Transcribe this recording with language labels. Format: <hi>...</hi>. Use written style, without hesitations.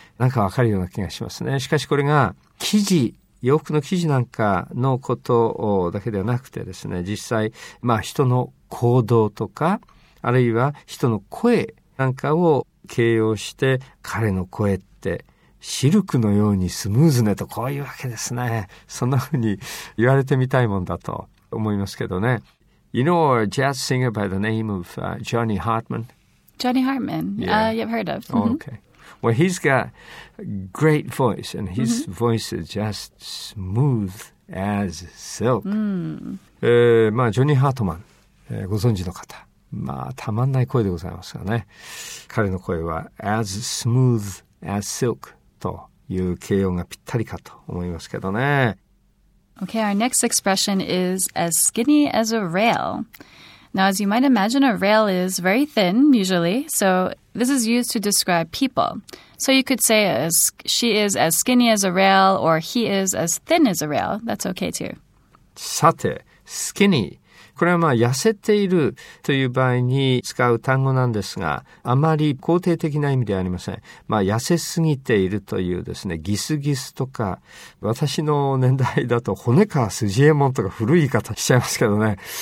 <ja>なんかわかるような気がしますね。しかしこれが生地、洋服の生地なんかのことだけではなくてですね、実際まあ人の行動とか、あるいは人の声なんかを形容して、彼の声ってシルクのようにスムーズねと、こういうわけですね。そんな風に言われてみたいもんだと思いますけどね。</ja> <en>You know a jazz singer by the name of Johnny Hartman? Johnny Hartman, yeah. You've heard of. Okay. Well, he's got great voice and his voice is just smooth as silk.</en> <ja>まあジョニー・ハートマン、ご存知の方、まあたまんない声でございますがね、彼の声は</ja> <en>as smooth as silk</en> <ja>という形容がぴったりかと思いますけどね。</ja> <en>Okay, our next expression is as skinny as a rail. Now as you might imagine, a rail is very thin usually, so this is used to describe people. So you could say as she is as skinny as a rail or he is as thin as a rail. That's okay too.</en> <ja>さて、 skinny、これはまあ痩せているという場合に使う単語なんですが、あまり肯定的な意味ではありません。まあ痩せすぎているというですね、ギスギスとか、私の年代だと骨川筋右衛門とか古い言い方しちゃいますけどね。</ja>